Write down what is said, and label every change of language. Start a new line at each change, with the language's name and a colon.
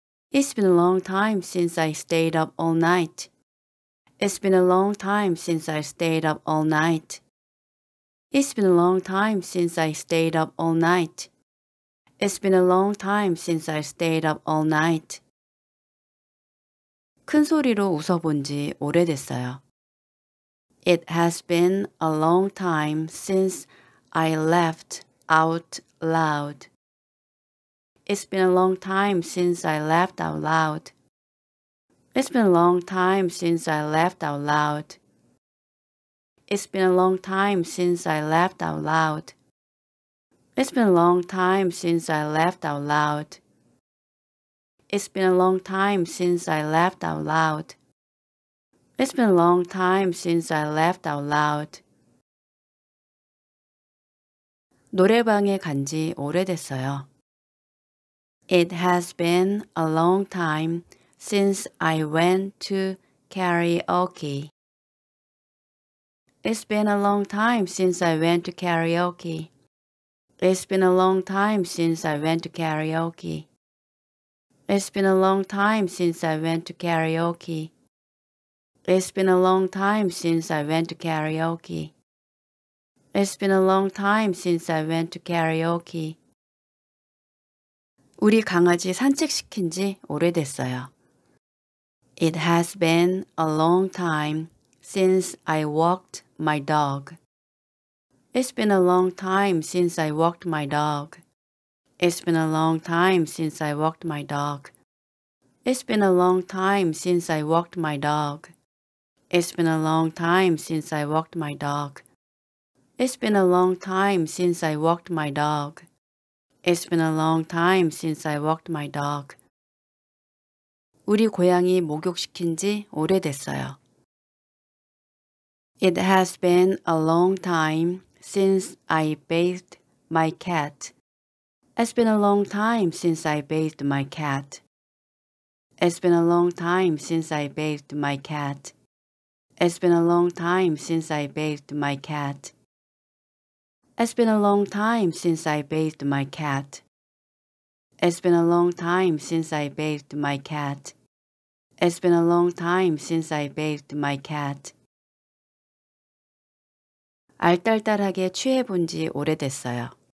English: It's been a long time since I stayed up all night. It's been a long time since I stayed up all night. It's been a long time since I stayed up all night. It's been a long time since I stayed up all night.
Korean: 큰소리로 웃어본 지 오래됐어요.
English: It has been a long time since I laughed out loud. It's been a long time since I laughed out loud. It's been a long time since I laughed out loud. It's been a long time since I laughed out loud. It's been a long time since I laughed out loud. It's been a long time since I laughed out loud. It's been a long time since I laughed out loud.
Korean: 노래방에 간 지 오래됐어요.
English: It has been a long time since I went to karaoke. It's been a long time since I went to karaoke. It's been a long time since I went to karaoke. It's been a long time since I went to karaoke. It's been a long time since I went to karaoke. It's been a long time since I went to karaoke.
Korean: 우리 강아지 산책시킨 지 오래됐어요.
English: It has been a long time since I walked my dog. It's been a long time since I walked my dog. It's been a long time since I walked my dog. It's been a long time since I walked my dog. It's been a long time since I walked my dog. It's been a long time since I walked my dog. It's been a long time since I walked my dog.
Korean: 우리 고양이 목욕시킨 지 오래됐어요.
English: It has been a long time since I bathed my cat. It's been a long time since I bathed my cat. It's been a long time since I bathed my cat. It's been a long time since I bathed my cat. It's been a long time since I bathed my cat. It's been a long time since I bathed my cat. It's been a long time since I bathed my cat.
Korean: 알딸딸하게 취해 본 지 오래됐어요.